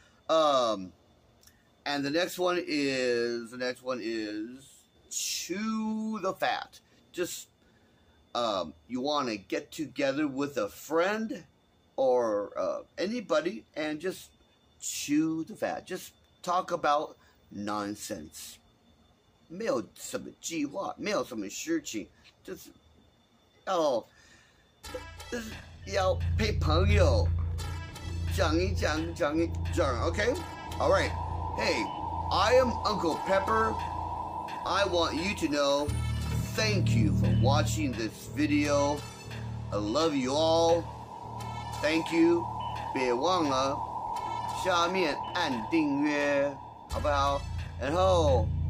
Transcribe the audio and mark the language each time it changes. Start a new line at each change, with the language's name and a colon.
English: And the next one is chew the fat. Just, you want to get together with a friend or anybody and just chew the fat. Just talk about nonsense.
Chinese: 没有什么计划，没有什么事情，就是要陪朋友讲一讲，讲一讲。
English: Okay, all right. Hey, I am Uncle Pepper. I want you to know, thank you for watching this video. I love you all. Thank you.
Chinese: 别忘了下面按订阅，好不好？然后。